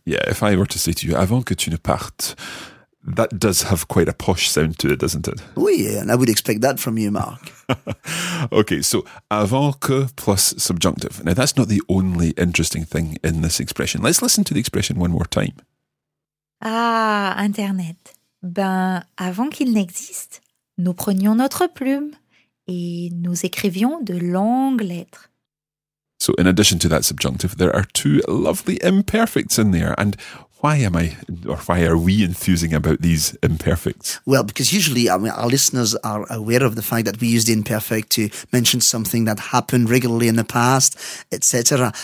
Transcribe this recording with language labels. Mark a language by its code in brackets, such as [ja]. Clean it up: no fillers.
[en] Yeah, if I were to say to you, [fr] avant que tu ne partes, [en] that does have quite a posh sound to it, doesn't it? Oui, and I would expect that from you, Mark. Okay, so avant que plus subjunctive. Now, that's not the only interesting thing in this expression. Let's listen to the expression one more time. [fr] Ah, Internet. Ben, avant qu'il n'existe, nous prenions notre plume et nous écrivions de longues lettres. [en] So in addition to that subjunctive, there are two lovely imperfects in there. And why are we enthusing about these imperfects? Well, because usually our listeners are aware of the fact that we use the imperfect to mention something that happened regularly in the past, etc.